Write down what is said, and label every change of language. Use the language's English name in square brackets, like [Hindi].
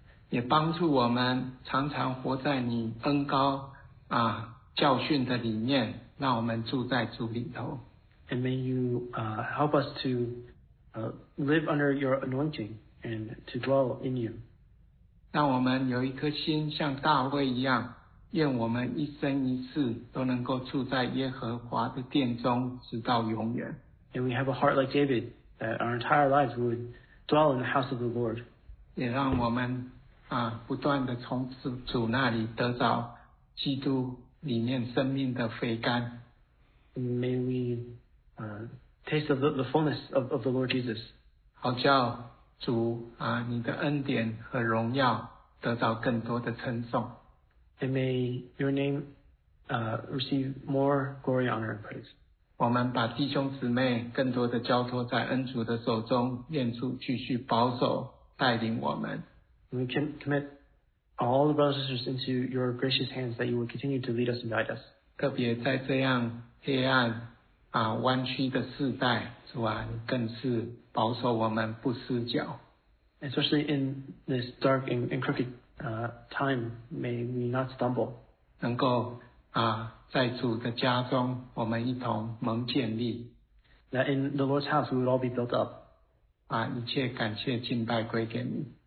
[Chinese] 也帮助我们常常活在你恩膏教训的里面，让我们住在主里头。 [English] And may you help us to live under your anointing. And to dwell in you. [Chinese] 让我们有一颗心像大卫一样，愿我们一生一世都能够住在耶和华的殿中，直到永远。 [English] May we have a heart like David, that our entire lives would dwell in the house of the Lord. [Chinese] 也让我们啊，不断地从主那里得到基督里面生命的肥甘。 [English] May we taste of the fullness of the Lord Jesus. [Chinese] 好叫主啊，你的恩典和荣耀得到更多的称颂。 [English] And may your name receive more glory, honor, and praise. [Chinese] 我们把弟兄姊妹更多的交托在恩主的手中，愿主继续保守带领我们。 [English] We can commit all the brothers and sisters into your gracious hands that you would continue to lead us and guide us. [Chinese] 特别在这样黑暗啊弯曲的世代，主啊，你更是保守我们不失脚。 [English] Especially in this dark and crooked time, may we not stumble. [Chinese] 能够啊，在主的家中，我们一同蒙建立。 [English] That in the Lord's house we would all be built up. [Chinese] 把一切感谢敬拜归给你。